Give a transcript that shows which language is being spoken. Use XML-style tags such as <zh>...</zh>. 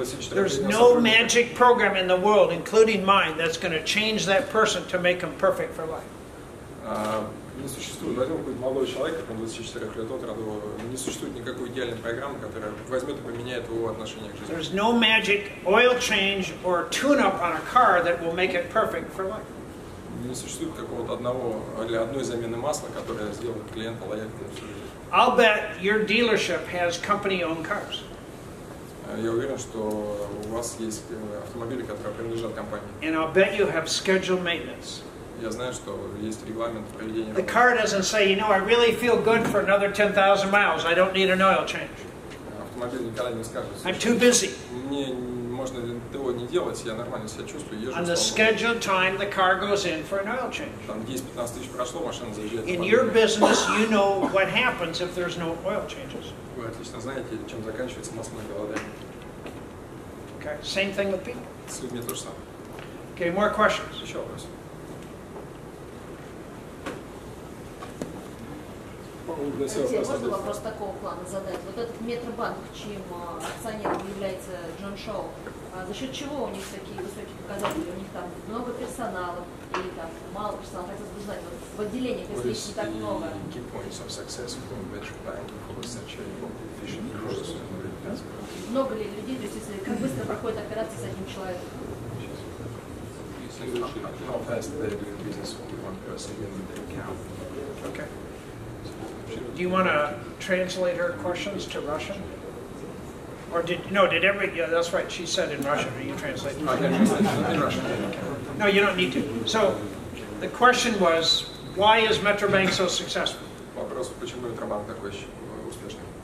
<en>There's no magic program in the world, including mine, that's going to change that person to make them perfect for life.</en> <ru>Не существует. Возьмем какой-нибудь молодой человек, он 24 лет от роду, не существует никакой идеальной программы, которая возьмет и поменяет его отношение к жизни.</ru> <en>There's no magic oil change or tune-up on a car that will make it perfect for life.</en> <ru>Не существует какого-то одного или одной замены масла, которая сделает клиента лояльным.</ru> <en>I'll bet your dealership has company-owned cars.</en> <ru>Я уверен, что у вас есть автомобили, которые принадлежат компании.</ru> <en>And I'll bet you have scheduled maintenance.</en> <ru>Я знаю, что есть регламент проведения.</ru> <en>The car doesn't say, you know, I really feel good for another 10,000 miles. I don't need an oil change.</en> <ru>Автомобиль никогда не скажет.</ru> <en>I'm too busy.</en> <ru>Мне можно этого не делать. Я нормально себя чувствую. Езжу.</ru> <en>On the scheduled time, the car goes in for an oil change.</en> <ru>Там 10-15 тысяч прошло, машина заезжает.</ru> <en>In your business, you know what happens if there's no oil changes.</en> <ru>Вы отлично знаете, чем заканчивается масляное голодание.</ru> <en>Okay. Same thing with people.</en> <ru>С людьми то же самое.</ru> <en>Okay. More questions.</en> <ru>Еще вопрос. Можно вопрос такого плана задать? Вот этот метробанк, чьим акционером является Джон Шоу, за счет чего у них такие высокие показатели? У них там много персонала или там мало персонала? Хотелось бы знать, вот в отделениях, если их не так много.</ru> <en>Key points of success for metrobank for such a efficient process?</en> <ru>Много ли людей, то есть если как быстро проходит операция с одним человеком?</ru> <en>How fast they do business with one person in the account. Okay. Do you want to translate her questions to Russian? Or did, no, did everybody, yeah, that's right, she said in Russian, are you translating? I can translate in Russian. Okay. No, you don't need to. So, the question was, why is Metrobank so successful?</en> <ru>Вопрос, почему Метробанк такой успешный?</ru>